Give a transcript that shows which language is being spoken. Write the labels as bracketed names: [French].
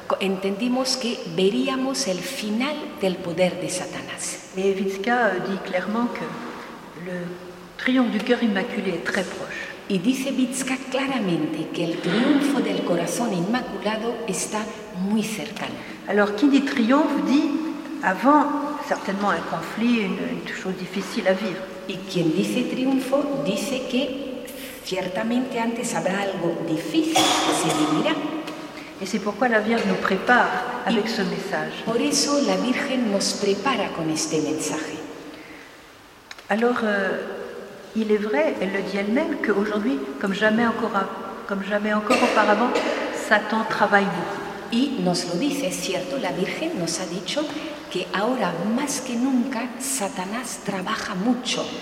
[Spanish] Entendimos que veríamos el final del poder de Satanás. [French] Et Witzka dit clairement que le triomphe du cœur immaculé est très proche. [Spanish] Y dice Witzka claramente que el triunfo del corazón inmaculado está muy cercano. [French] Alors, qui dit triomphe dit avant certainement un conflit, une chose difficile à vivre. [Spanish] Y quien dice triunfo dice que ciertamente antes habrá algo difícil que se vivirá. [French] Et c'est pourquoi la Vierge nous prépare avec ce message. [Spanish] Por eso la Virgen nos prepara con este mensaje. [French] Alors, il est vrai, elle le dit elle-même, qu'aujourd'hui, comme jamais encore auparavant, Satan travaille beaucoup. [Spanish] Y nos lo dice, es cierto, la Virgen nos ha dicho que ahora, más que nunca, Satanás trabaja mucho.